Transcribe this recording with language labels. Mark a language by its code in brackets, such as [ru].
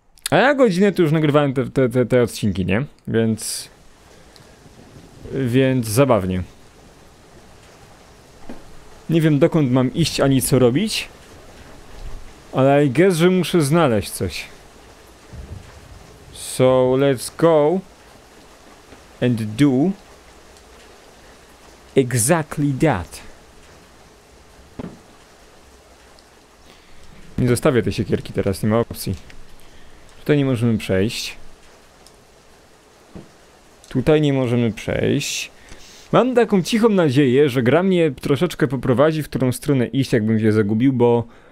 [pl] A ja godzinę to już nagrywałem te odcinki, nie? Więc... więc zabawnie. Nie wiem, dokąd mam iść, ani co robić. Ale [en] I guess, [pl] że muszę znaleźć coś. [en] So, let's go and do exactly that. [pl] Nie zostawię tej siekierki teraz, nie ma opcji. Tutaj nie możemy przejść. Tutaj nie możemy przejść. Mam taką cichą nadzieję, że gra mnie troszeczkę poprowadzi, w którą stronę iść, jakbym się zagubił, bo...